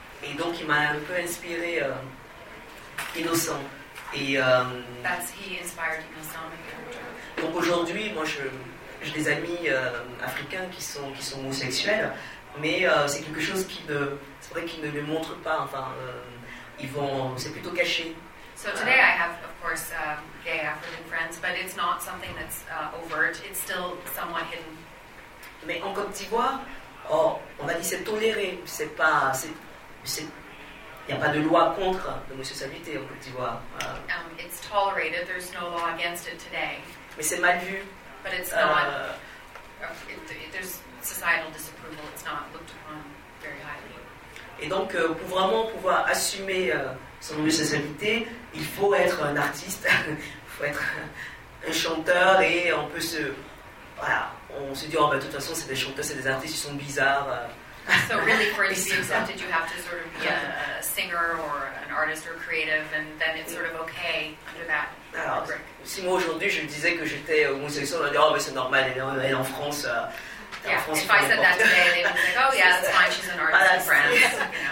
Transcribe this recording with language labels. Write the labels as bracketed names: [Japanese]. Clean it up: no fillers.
[French] Et donc il m'a un peu inspiré Innocent. Et [English] he inspired Innocent, my character. [French] Donc aujourd'hui, moi j'ai des amis africains qui sont homosexuels, mais c'est quelque chose qui ne les montre pas. Enfin, c'est plutôt caché. [English] So today I have, of course, gay African friends, but it's not something that's overt. It's still somewhat hidden. [French] Mais en Côte d'Ivoire, on m'a dit c'est toléré. C'est pas, il y a pas de loi contre l'homosexualité en Côte d'Ivoire. [English] It's tolerated. There's no law against it today. [French] Mais c'est mal vu. [English] But it's not. There's societal disapproval. It's not looked upon very highly. [French] Et donc, pour vraiment pouvoir assumer son homosexualité, il faut être un artiste, il faut être un chanteur, et on peut se, voilà, on se dit, oh, ben, de toute façon, c'est des chanteurs, c'est des artistes, ils sont bizarres. [English] So really, for it to be accepted, you have to sort of be a singer or an artist or creative, and then it's sort of okay under that. [French] Alors, si moi aujourd'hui je disais que j'étais homosexuel, on aurait dit, oh, mais c'est normal, elle est en France. [English] Yeah, if I said that today, they would be like, oh yeah, that's fine, she's an artist in France.